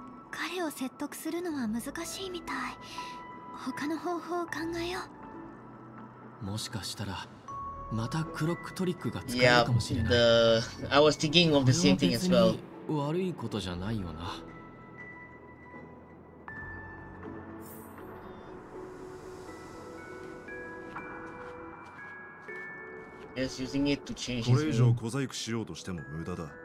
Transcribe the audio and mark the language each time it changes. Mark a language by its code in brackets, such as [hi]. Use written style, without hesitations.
[ja] 彼を説得するのは難しいみたい。他の方法を考えよう。もしかしたらまたクロックトリックが使えるかもしれない。 [en] Yeah, I was thinking of the same thing as well。 [ja] これは別に悪いことじゃないよな。 [en] Yes, using it to change his [ja] これ以上小細工しようとしても無駄だ。